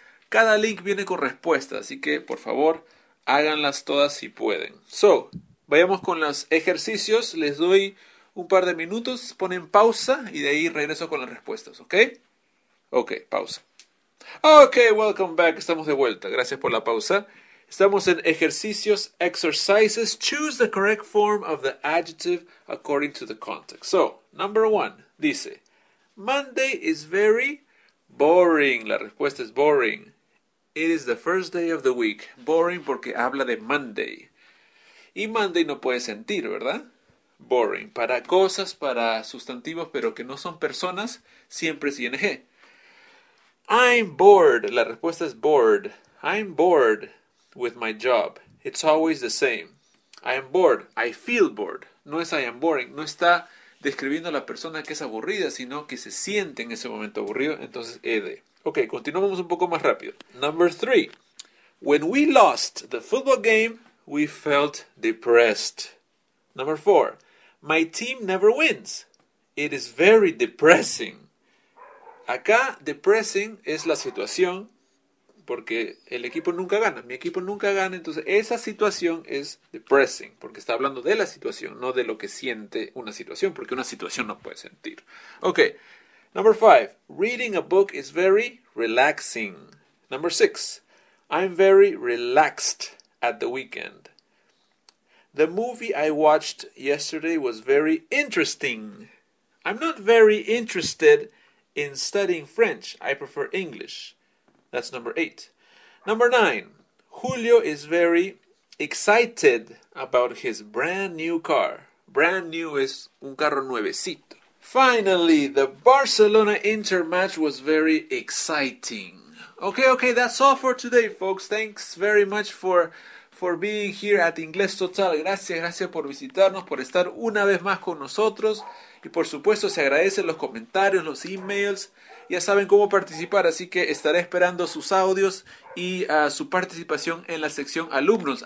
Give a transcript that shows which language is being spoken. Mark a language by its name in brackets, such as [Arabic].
[Spanish] Cada link viene con respuesta, así que por favor, háganlas todas si pueden. So, vayamos con los ejercicios, les doy un par de minutos, ponen pausa y de ahí regreso con las respuestas, ¿ok? Ok, pausa. Ok, [English] welcome back, [Spanish] estamos de vuelta, gracias por la pausa. Estamos en ejercicios, exercises. [English] Choose the correct form of the adjective according to the context. So, number one, dice, Monday is very boring. [Spanish] La respuesta es boring. [English] It is the first day of the week. [Spanish] Boring porque habla de Monday. Y Monday no puede sentir, ¿verdad? Boring. Para cosas, para sustantivos, pero que no son personas, siempre es ING. [English] I'm bored. [Spanish] La respuesta es bored. [English] I'm bored with my job. It's always the same. I am bored. I feel bored. No es I am boring. [Spanish] No está describiendo a la persona que es aburrida, sino que se siente en ese momento aburrido. Entonces, ED. Ok, continuamos un poco más rápido. [English] Number three. When we lost the football game, we felt depressed. Number four. My team never wins. It is very depressing. [Spanish] Acá, depressing es la situación. Porque el equipo nunca gana, mi equipo nunca gana, entonces esa situación es depressing, porque está hablando de la situación, no de lo que siente una situación, porque una situación no puede sentir. [English] Ok, number five, reading a book is very relaxing. Number six, I'm very relaxed at the weekend. The movie I watched yesterday was very interesting. I'm not very interested in studying French, I prefer English. That's number eight. Number nine. Julio is very excited about his brand new car. [Spanish] Brand new es un carro nuevecito. [English] Finally, the Barcelona Inter match was very exciting. Okay, that's all for today, folks. Thanks very much for being here at Inglés Total. [Spanish] Gracias, gracias por visitarnos, por estar una vez más con nosotros. Y por supuesto se agradecen los comentarios, los emails. Ya saben cómo participar, así que estaré esperando sus audios y su participación en la sección alumnos.